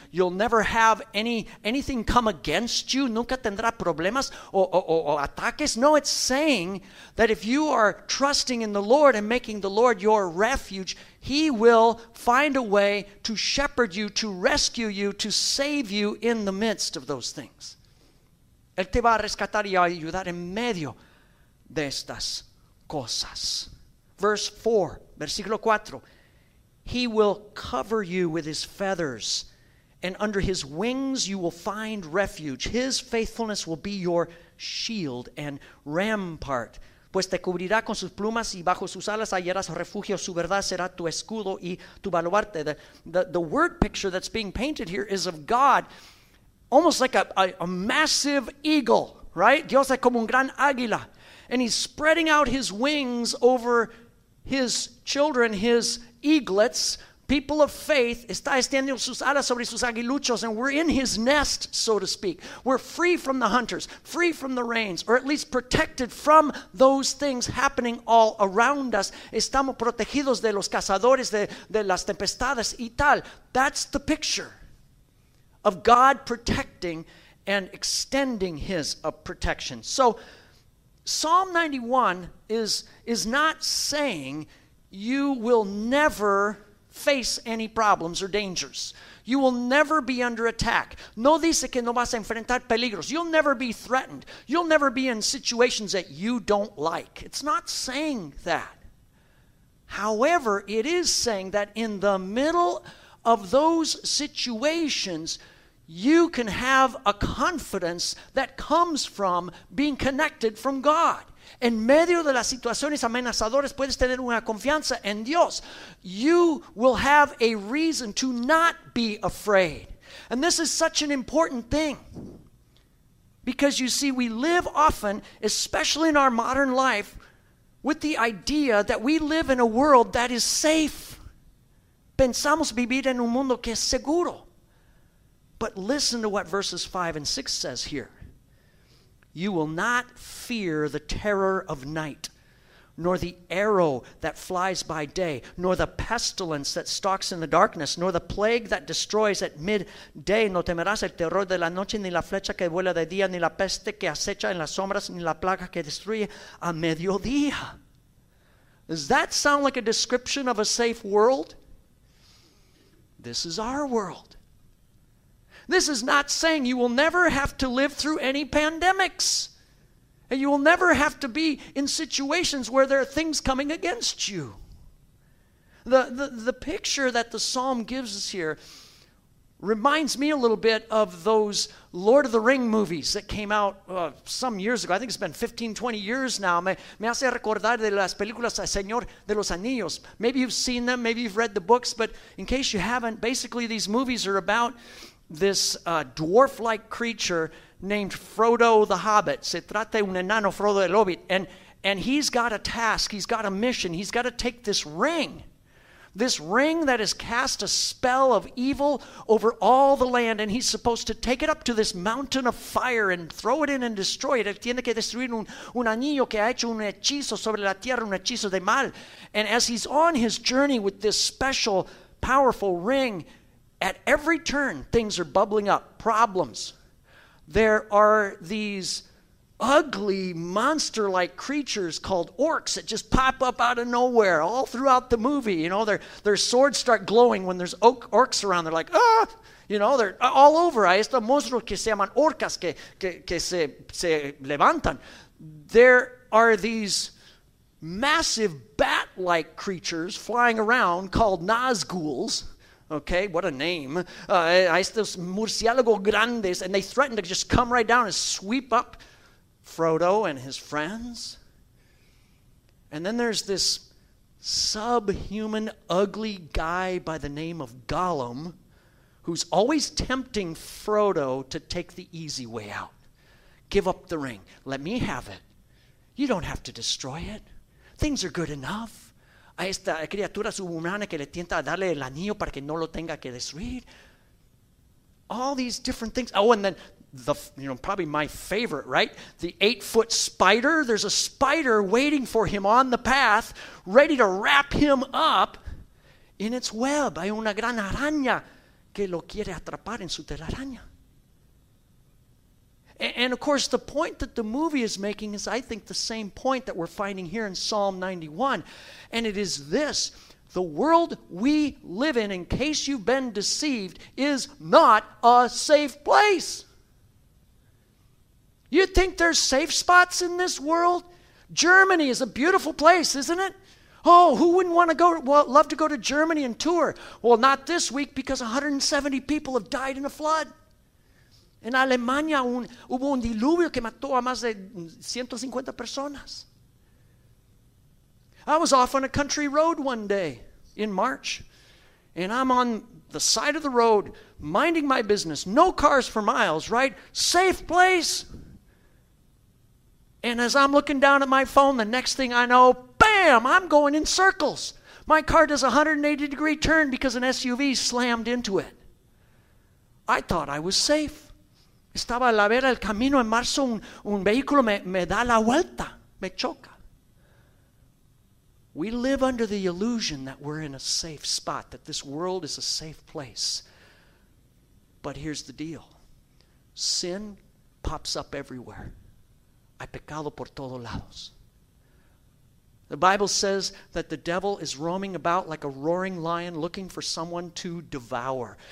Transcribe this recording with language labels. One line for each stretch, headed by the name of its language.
English: You'll never have anything come against you.
Spanish: Nunca tendrá problemas o ataques.
English: No, it's saying that if you are trusting in the Lord and making the Lord your refuge, He will find a way to shepherd you, to rescue you, to save you in the midst of those things.
Spanish: Él te va a rescatar y a ayudar en medio de estas cosas.
English: Verse 4, versículo 4. He will cover you with His feathers, and under His wings you will find refuge. His faithfulness will be your shield and rampart.
Spanish: Pues te cubrirá con sus plumas y bajo sus alas hallarás refugio. Su verdad será tu escudo y tu baluarte.
English: The word picture that's being painted here is of God, almost like a massive eagle, right?
Spanish: Dios es como un gran águila.
English: And He's spreading out His wings over His children, His eaglets, people of faith.
Spanish: Está extendiendo sus alas sobre sus aguiluchos,
English: and we're in His nest, so to speak. We're free from the hunters, free from the rains, or at least protected from those things happening all around us.
Spanish: Estamos protegidos de los cazadores, de las tempestades y tal.
English: That's the picture of God protecting and extending His protection. So Psalm 91 is not saying you will never face any problems or dangers. You will never be under attack. No dice que no vas a enfrentar peligros. You'll never be threatened. You'll never be in situations that you don't like. It's not saying that. However, it is saying that in the middle of those situations, you can have a confidence that comes from being connected from God.
Spanish: En medio de las situaciones amenazadoras, puedes tener una confianza en Dios.
English: You will have a reason to not be afraid. And this is such an important thing. Because you see, we live often, especially in our modern life, with the idea that we live in a world that is safe.
Spanish: Pensamos vivir en un mundo que es seguro.
English: But listen to what verses 5 and 6 says here. You will not fear the terror of night, nor the arrow that flies by day, nor the pestilence that stalks in the darkness, nor the plague that destroys at midday.
Spanish: No temerás el terror de la noche, ni la flecha que vuela de día, ni la peste que acecha en las sombras, ni la plaga que destruye a mediodía.
English: Does that sound like a description of a safe world? This is our world. This is not saying you will never have to live through any pandemics. And you will never have to be in situations where there are things coming against you. The picture that the psalm gives us here reminds me a little bit of those Lord of the Ring movies that came out some years ago. I think it's been 15, 20 years now.
Spanish: Me hace recordar de las películas El Señor de los Anillos.
English: Maybe you've seen them, maybe you've read the books, but in case you haven't, basically these movies are about this dwarf-like creature named Frodo the Hobbit.
Spanish: Se trata de un enano, Frodo el Hobbit.
English: And he's got a task. He's got a mission. He's got to take this ring that has cast a spell of evil over all the land, and he's supposed to take it up to this mountain of fire and throw it in and destroy it.
Spanish: Él tiene que destruir un anillo que ha hecho un hechizo sobre la tierra, un hechizo de mal.
English: And as he's on his journey with this special, powerful ring, at every turn, things are bubbling up, problems. There are these ugly, monster-like creatures called orcs that just pop up out of nowhere all throughout the movie. You know, their swords start glowing when there's orcs around. They're like, ah! You know, they're all over.
Spanish: Hay estos monstruos que se llaman orcas que se levantan.
English: There are these massive bat-like creatures flying around called Nazguls. Okay, what a name.
Spanish: Hay estos murciélagos grandes,
English: and they threaten to just come right down and sweep up Frodo and his friends. And then there's this subhuman, ugly guy by the name of Gollum, who's always tempting Frodo to take the easy way out. Give up the ring. Let me have it. You don't have to destroy it. Things are good enough.
Spanish: A esta criatura subhumana que le tienta a darle el anillo para que no lo tenga que destruir.
English: All these different things. Oh, and then probably my favorite, right? The 8-foot spider. There's a spider waiting for him on the path, ready to wrap him up In its web,
Spanish: hay una gran araña que lo quiere atrapar en su telaraña.
English: And of course, the point that the movie is making is, I think, the same point that we're finding here in Psalm 91. And it is this: the world we live in case you've been deceived, is not a safe place. You think there's safe spots in this world? Germany is a beautiful place, isn't it? Oh, who wouldn't want to go? Well, love to go to Germany and tour. Well, not this week, because 170 people have died in a flood.
Spanish: En Alemania hubo un diluvio que mató a más de 150 personas.
English: I was off on a country road one day in March, and I'm on the side of the road minding my business. No cars for miles, right? Safe place. And as I'm looking down at my phone, the next thing I know, bam, I'm going in circles. My car does a 180-degree turn because an SUV slammed into it. I thought I was safe.
Spanish: Estaba a la vera del camino en marzo, un vehículo me da la vuelta, me choca.
English: We live under the illusion that we're in a safe spot, that this world is a safe place. But here's the deal. Sin pops up everywhere.
Spanish: Hay pecado por todos lados.
English: The Bible says that the devil is roaming about like a roaring lion looking for someone to devour.